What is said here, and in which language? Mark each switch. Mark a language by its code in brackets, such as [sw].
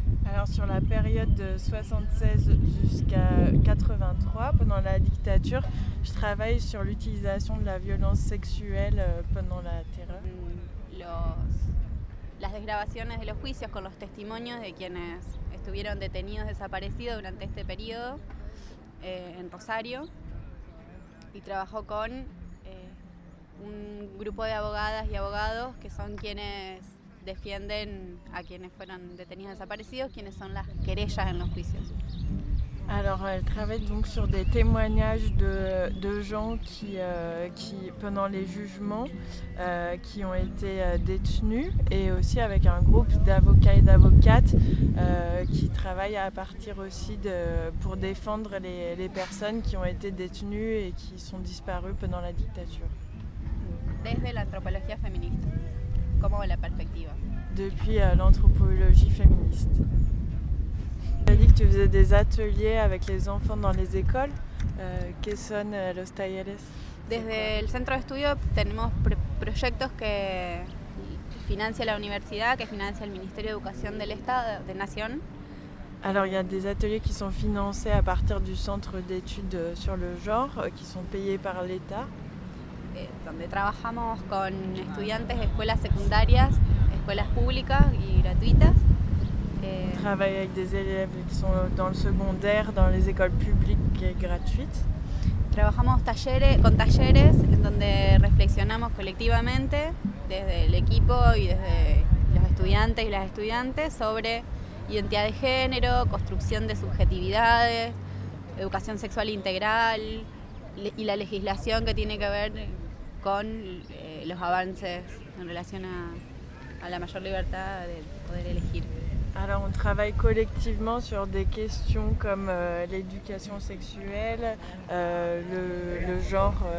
[fr] Alors sur la période de 76 jusqu'à 83, pendant la dictature, je travaille sur l'utilisation de la violence sexuelle pendant la terreur. [es] Las desgrabaciones de los juicios con los testimonios de quienes estuvieron detenidos, desaparecidos durante este periodo en Rosario, y trabajó con un grupo de abogadas y abogados que son quienes defienden a quienes fueron detenidos, desaparecidos, quienes son las querellas en los juicios. [fr] Alors, elle travaille donc sur des témoignages de gens qui pendant les jugements, qui ont été détenus, et aussi avec un groupe d'avocats et d'avocates qui travaillent à partir aussi pour défendre les personnes qui ont été détenues et qui sont disparues pendant la dictature. Desde l'anthropologie féministe, comment est la perspective? Depuis l'anthropologie féministe. Tu as dit que tu faisais des ateliers avec les enfants dans les écoles. Quels sont les talleres? [es] Desde el centro de estudio tenemos proyectos que financia la universidad, que financia el Ministerio de Educación del Estado de Nación. [fr] Alors, il y a des ateliers qui sont financés à partir du centre d'études sur le genre, qui sont payés par l'État. [es] Donde trabajamos con estudiantes de escuelas secundarias, escuelas públicas y gratuitas. [fr] On travaille avec des élèves qui sont dans le secondaire, dans les écoles publiques et gratuites. [es] Trabajamos con talleres en donde reflexionamos colectivamente desde el equipo y desde los estudiantes y las estudiantes sobre identidad de género, construcción de subjetividades, educación sexual integral y la legislación que tiene que ver con los avances en relación a la mayor libertad de poder elegir. [fr] Alors, on travaille collectivement sur des questions comme l'éducation sexuelle, le genre,